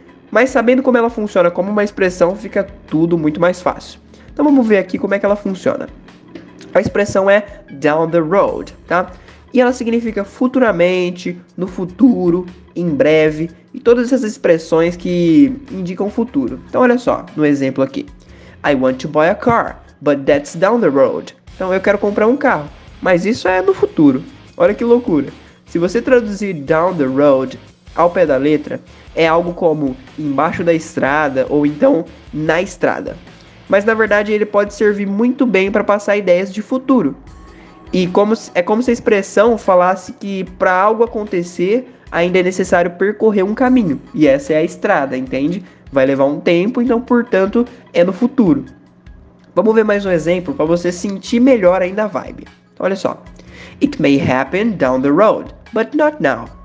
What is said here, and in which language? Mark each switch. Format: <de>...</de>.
<pt>Mas sabendo como ela funciona como uma expressão, fica tudo muito mais fácil. Então vamos ver aqui como é que ela funciona. A expressão é</pt> <en>down the road,</en> <pt>tá? E ela significa futuramente, no futuro, em breve, e todas essas expressões que indicam futuro. Então olha só, no exemplo aqui.</pt> <en>I want to buy a car, but that's down the road.</en> <pt>Então eu quero comprar um carro. Mas isso é no futuro. Olha que loucura. Se você traduzir</pt> <en>down the road</en> <pt>ao pé da letra, é algo como embaixo da estrada ou então na estrada. Mas na verdade ele pode servir muito bem para passar ideias de futuro. E como se, é como se a expressão falasse que para algo acontecer ainda é necessário percorrer um caminho. E essa é a estrada, entende? Vai levar um tempo, então portanto é no futuro. Vamos ver mais um exemplo para você sentir melhor ainda a vibe. Olha só,</pt> <en>it may happen down the road, but not now.</en>